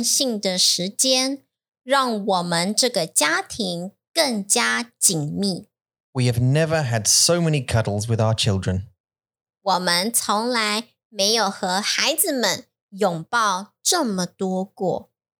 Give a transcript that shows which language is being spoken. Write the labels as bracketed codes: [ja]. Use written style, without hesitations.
[zh] 经过所有这些具有挑战性的时间, 让我们这个家庭更加紧密。 [en] We have never had so many cuddles with our children. [zh] 我们从来没有和孩子们拥抱这么多过。